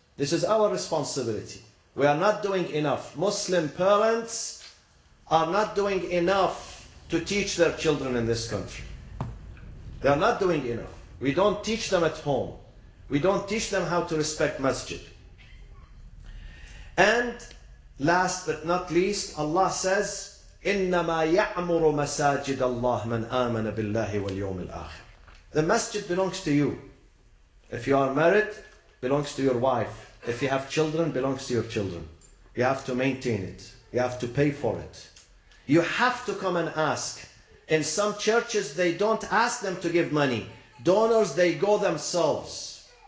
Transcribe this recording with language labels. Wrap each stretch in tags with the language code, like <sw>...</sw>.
<en>This is our responsibility. We are not doing enough. Muslim parents are not doing enough to teach their children in this country. They are not doing enough. We don't teach them at home. We don't teach them how to respect masjid. And last but not least, Allah says,</en> <ar>إِنَّمَا يَعْمُرُ مَسَاجِدَ اللَّهِ مَنْ آمَنَ بِاللَّهِ وَالْيَوْمِ الْآخِرِ.</ar> <en>The masjid belongs to you. If you are married, belongs to your wife. If you have children, belongs to your children. You have to maintain it. You have to pay for it. You have to come and ask. In some churches, they don't ask them to give money. Donors, they go themselves.</en>